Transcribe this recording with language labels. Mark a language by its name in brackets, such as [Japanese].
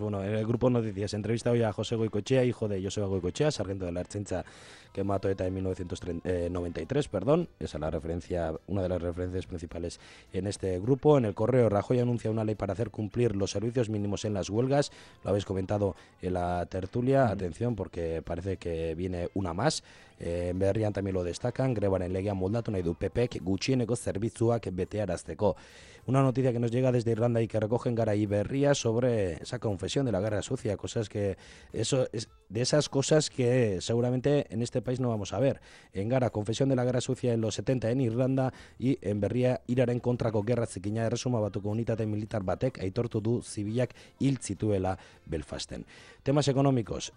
[Spanish] Bueno, en el grupo Noticias, entrevista hoy a José Goicoechea, hijo de Joseba Goicoechea, sargento de la Ertzaintza que mató ETA en 1993, perdón. Esa es la referencia, una de las referencias principales en este grupo. En el correo, Rajoy anuncia una ley para hacer cumplir los servicios mínimos en las huelgas. Lo habéis comentado en la tertulia. Mm-hmm. Atención, porque parece que viene una más. En Berrian también lo destacan. [Basque] Grebaren legea moldatu nahi du PPek gutxieneko zerbitzuak betearazteko. [Spanish] Una noticia que nos llega desde Irlanda y que recogen Garai Berria sobre esa confesión de la guerra sucia, cosas que eso es de esas cosas que seguramente en este país no vamos a ver. En Gara, confesión de la guerra sucia en los 70 en Irlanda y en Berria iraren kontrako gerra zikina erresuma batuko unitate militar batek aitortu du zibilak hil zituela Belfasten. Temas económicos.